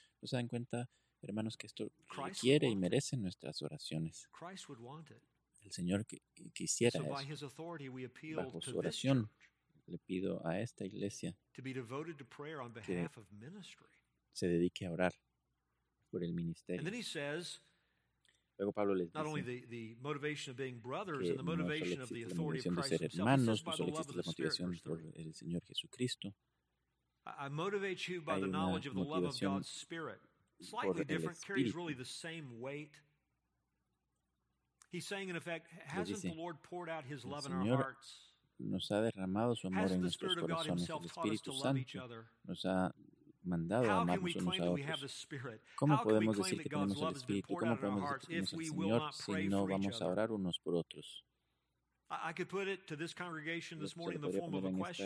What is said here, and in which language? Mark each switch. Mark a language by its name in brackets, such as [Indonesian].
[Spanish] ¿No se dan cuenta, hermanos, que esto requiere y merece nuestras oraciones? El Señor quisiera eso. Bajo su oración, le pido a esta iglesia que se dedique a orar por el ministerio. [English] And then he says, [Spanish] luego Pablo les dice, [English] not only the motivation of being brothers and the motivation of the authority of Christ himself, but [Spanish] the love of the Spirit. Existe la motivación por el Señor Jesucristo. [English] I motivate you by the knowledge of the love of God's Spirit. Slightly different, carries really the same weight. He's saying, in effect, hasn't the Lord poured out His love in our hearts? [Spanish] Nos ha derramado su amor en nuestros corazones. El Espíritu Santo nos ha mandado a amarnos unos a otros. ¿Cómo podemos decir que tenemos el Espíritu? ¿Cómo podemos decir que tenemos al Señor si no vamos a orar unos por otros? Yo podría poner a esta congregación de esta forma.